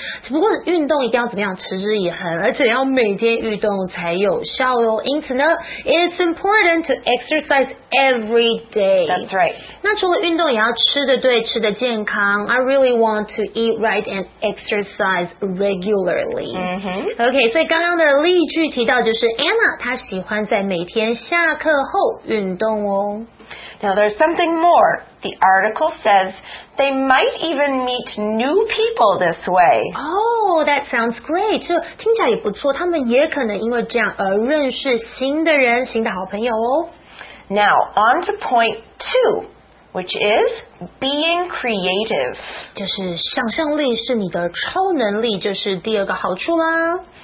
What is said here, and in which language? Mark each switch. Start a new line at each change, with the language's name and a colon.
Chinese: 只不过运动一定要怎么样持之以恒，而且要每天运动才有效哦。因此呢，
English: it's important to exercise every day. That's right.
Chinese: 那除了运动也要吃得对，吃得健康。
English: I really want to eat right and exercise regularly.
Chinese: OK, 所以刚刚的例句提到就是Anna, 她喜欢在每天下课后运动哦。
English: Now there's something more. The article says they might even meet new people this way. Oh, that sounds great.
Chinese: 就听起来也不错，他们也可能因为这样而认识新的人，新的好朋友哦。
English: Now, on to point two. Which is being creative.
Chinese: 就是想象力是你的超能力，就是第二个好处啦。